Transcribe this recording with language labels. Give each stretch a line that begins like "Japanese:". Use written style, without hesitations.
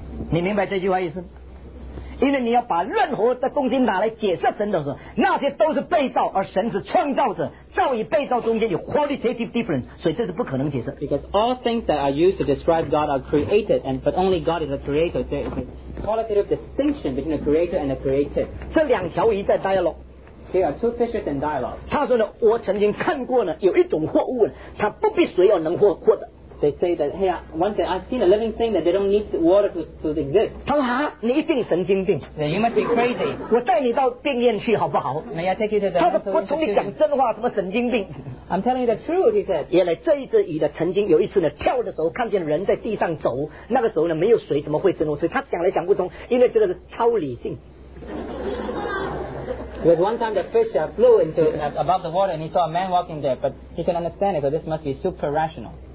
Chinese: 你明白这句话意思？因为你要把任何的东西拿来解释神的时候，那些都是被造，而神是创造者，造与被造中间有
English: qualitative difference，
Chinese: 所以这是不可能解释。
English: Because all things that are used to describe God are created, but only God is a creator. There is a qualitative distinction between the creator and the created.
Chinese: 这两条鱼在 dialogue。
English: There are two fishes in dialogue.
Chinese: 他说呢，我曾经看过呢，有一种货物，它不必水而能活的。
English: They say that, hey, once I've seen a living thing that they don't need water to exist.
Chinese: 他说啊，你一定神经病。
English: Yeah, you must be crazy.
Chinese: 我带你到病院去好不好？
English: May I take you to the
Chinese: 他说我从你讲真话，什么神经病？
English: I'm telling you the truth, he said.
Chinese: 原来这一只鱼的曾经有一次呢，跳的时候看见人在地上走，那个时候呢没有水，怎么会生活？所以他想来想不通，因为这个是超理性。
English: Because one time the fish flew into above the water and he saw a man walking there, but he can understand it, so this must be super rational.